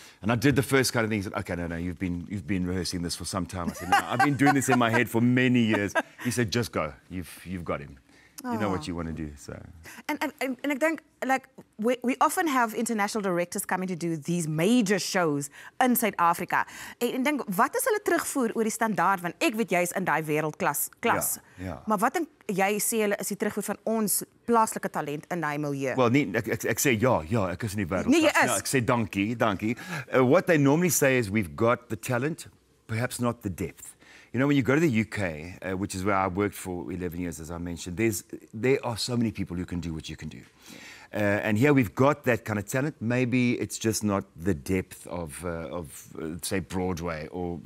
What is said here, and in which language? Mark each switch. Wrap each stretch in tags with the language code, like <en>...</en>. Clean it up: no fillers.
<en>And I did the first kind of thing. He said, okay, no, you've been rehearsing this for some time. I said, no, I've been doing this in my head for many years. He said, just go. You've got him. You know what you want to do, so. And I think, like, we often have international directors coming to do these major shows in South Africa. And I think, what is</en> <af>hulle terugvoer oor die standaard? Want ek weet jy is in die wêreldklas. Ja. Maar wat dink jy sê hulle is die terugvoer van ons plaaslike talent in die milieu? Well, nee, ek sê ja, ek is in die wêreldklas. Nee, jy is. Ja, ek sê dankie.</af> <en>What they normally say is we've got the talent, perhaps not the depth. You know, when you go to the UK, which is where I worked for 11 years, as I mentioned, there are so many people who can do what you can do. And here we've got that kind of talent. Maybe it's just not the depth of say, Broadway or</en>